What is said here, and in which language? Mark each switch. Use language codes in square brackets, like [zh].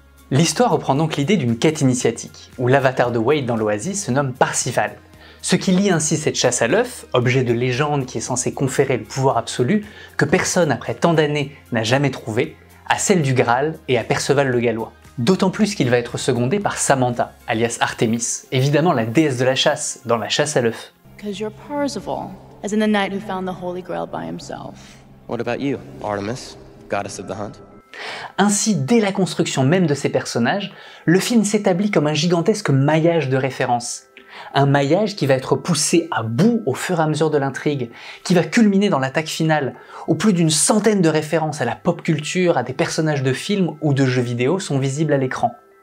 [fr] L'histoire reprend donc l'idée d'une quête initiatique, où l'avatar de Wade dans l'Oasis se nomme Parsifal, ce qui lie ainsi cette chasse à l'œuf, objet de légende qui est censé conférer le pouvoir absolu, que personne après tant d'années n'a jamais trouvé, à celle du Graal et à Perceval le Gallois. D'autant plus qu'il va être secondé par Samantha, alias Artemis, évidemment la déesse de la chasse, dans la chasse à l'œuf. [en] Because you're Parzival, as in the knight who found the Holy Grail by himself. What about you, Artemis, goddess of the hunt? [fr] Ainsi, dès la construction même de ces personnages, le film s'établit comme un gigantesque maillage de références. Un maillage qui va être poussé à bout au fur et à mesure de l'intrigue, qui va culminer dans l'attaque finale, où plus d'une centaine de références à la pop culture, à des personnages de films ou de jeux vidéo sont visibles à l'écran.